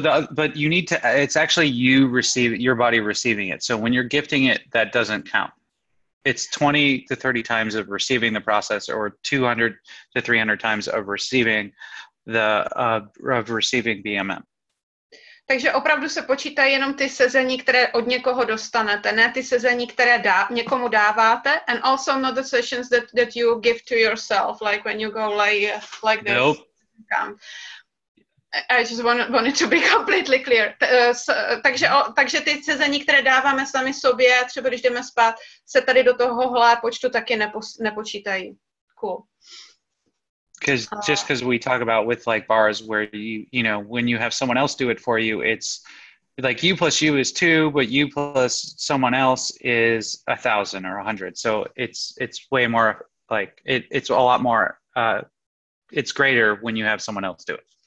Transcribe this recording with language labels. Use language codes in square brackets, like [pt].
[en] But you need to, it's actually your body receiving it. So when you're gifting it, that doesn't count. It's 20 to 30 times of receiving the process, or 200 to 300 times of receiving BMM. [cs] Takže opravdu se počítají jenom ty sezení, které od někoho dostanete, ne ty sezení, které někomu dáváte, [en] and also not the sessions that you give to yourself, like when you go like this. Nope. I just wanted to be completely clear. [cs] Takže ty sezení, které dáváme sami sobě, třeba když jdeme spát, se tady do tohohle počtu taky nepočítají. [en] Cool. Because we talk about with like bars where you know, when you have someone else do it for you, it's like you plus you is two, but you plus someone else is 1,000 or 100. So it's way more like it's a lot more, it's greater when you have someone else do it.